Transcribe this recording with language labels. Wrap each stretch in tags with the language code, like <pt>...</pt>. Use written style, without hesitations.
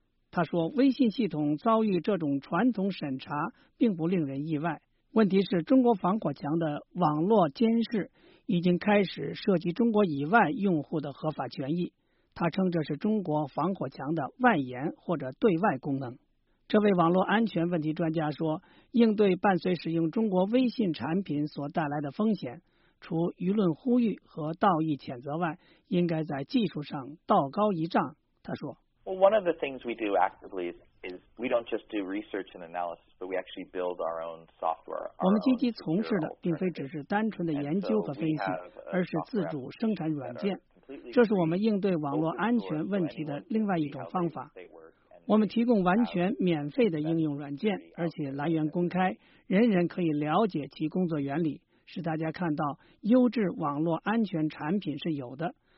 <zh>他说，微信系统遭遇这种传统审查并不令人意外，问题是中国防火墙的网络监视已经开始涉及中国以外用户的合法权益，他称这是中国防火墙的外延或者对外功能。这位网络安全问题专家说，应对伴随使用中国微信产品所带来的风险，除舆论呼吁和道义谴责外，应该在技术上道高一丈。他说，</zh> <en>Well, one of the things we do actively is we don't just do research and analysis, but we actually build our own software.</en> <zh>我们积极从事的并非只是单纯的研究和分析，而是自主生产软件。这是我们应对网络安全问题的另外一种方法。我们提供完全免费的应用软件，而且来源公开，人人可以了解其工作原理，使大家看到优质网络安全产品是有的。</zh>